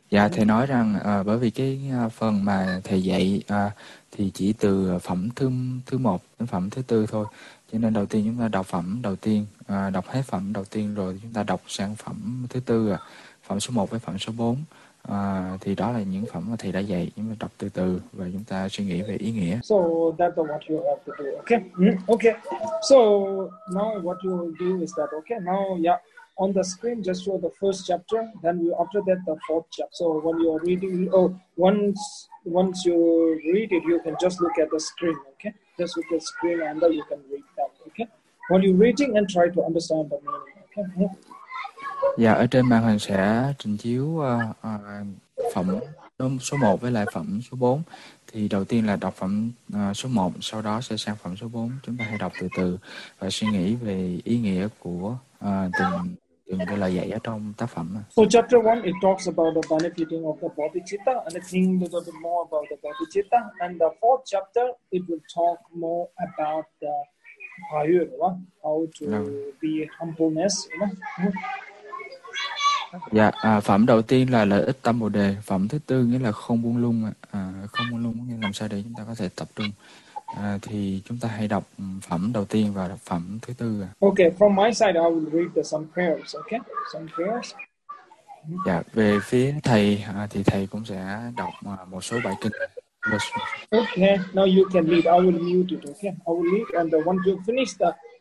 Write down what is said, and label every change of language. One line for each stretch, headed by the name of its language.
Vietnamese: Dạ, thầy nói rằng bởi vì cái phần mà thầy dạy thì chỉ từ phẩm thứ 1 đến phẩm thứ 4 thôi. Cho nên đầu tiên chúng ta đọc phẩm đầu tiên, đọc hết phẩm đầu tiên rồi chúng ta đọc sang phẩm thứ 4, phẩm số 1 với phẩm số 4. Thì đó là những phẩm mà thầy đã dạy, chúng ta đọc từ từ và chúng ta suy nghĩ về ý nghĩa.
English: So that's what you have to do. Okay. Okay. So now what you will do is that okay. Now yeah, on the screen just show the first chapter, then we after that the fourth chapter. So when you are reading, oh, once you read it, you can just look at the screen. Okay. Just look at the screen and then you can read that. Okay. While you're reading and try to understand the meaning. Okay.
Vietnamese: Dạ, ở trên màn hình sẽ trình chiếu phẩm số 1 với lại phẩm số 4. Thì đầu tiên là đọc phẩm số 1, sau đó sẽ sang phẩm số 4. Chúng ta hãy đọc từ từ và suy nghĩ về ý nghĩa của từng từng cái lời dạy ở trong tác phẩm.
English: So chapter 1 it talks about the benefiting of the bodhicitta and I think a little bit more about the bodhicitta and the fourth chapter it will talk more about the ayurva, how to be humbleness, you know.
Vietnamese: Dạ, phẩm đầu tiên là lợi ích tâm bồ đề, phẩm thứ tư nghĩa là không buông lung, không buông lung nghĩa là làm sao để chúng ta có thể tập trung. Thì chúng ta hãy đọc phẩm đầu tiên và đọc phẩm thứ tư.
English: Okay, from my side I will read the some prayers, okay? Some prayers.
Vietnamese: Dạ, về phía thầy thì thầy cũng sẽ đọc một số bài kinh.
English: Okay, now you can read. I will mute it, okay? I will read and once you finish the